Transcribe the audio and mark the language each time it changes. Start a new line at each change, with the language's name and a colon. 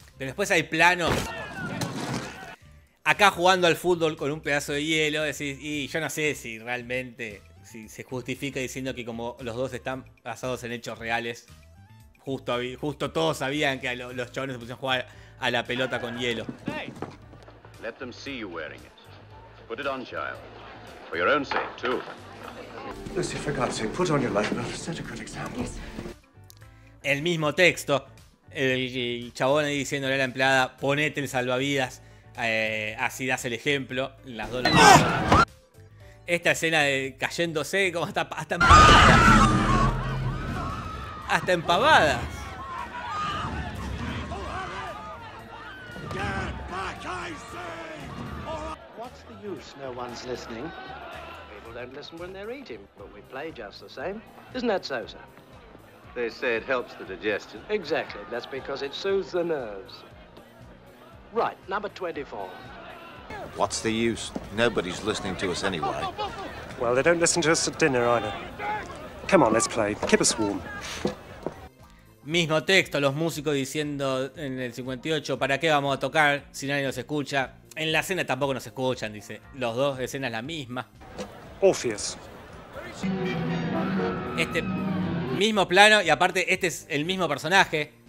Spanish: Pero después hay planos acá jugando al fútbol con un pedazo de hielo. Y yo no sé si realmente, si se justifica diciendo que como los dos están basados en hechos reales, justo todos sabían que los chabones se pusieron a jugar a la pelota con hielo.
English: Let them see you wearing it. Put it on, child. For your own sake, too. Lucy, for God's sake, put on your life belt. Set a good example. Yes.
Spanish: El mismo texto, el chabón diciéndole a la empleada: ponete el salvavidas, así das el ejemplo. Las dos. Esta escena de cayéndose, como hasta empavadas. Hasta empavadas.
English: What's the use? No one's listening. Don't listen when they're eating, but we play just the same. Isn't that so, sir? They say it helps the digestion. Exactly. That's because it soothes the nerves. Right, number 24. What's the use? Nobody's listening to us anyway. Well, they don't listen to us at dinner either. Come on, let's play. Keep us warm.
Spanish: Mismo texto, los músicos diciendo en el 58, ¿para qué vamos a tocar si nadie nos escucha? En la cena tampoco nos escuchan, dice. Los dos escenas la misma. Orpheus. Este mismo plano, y aparte este es el mismo personaje.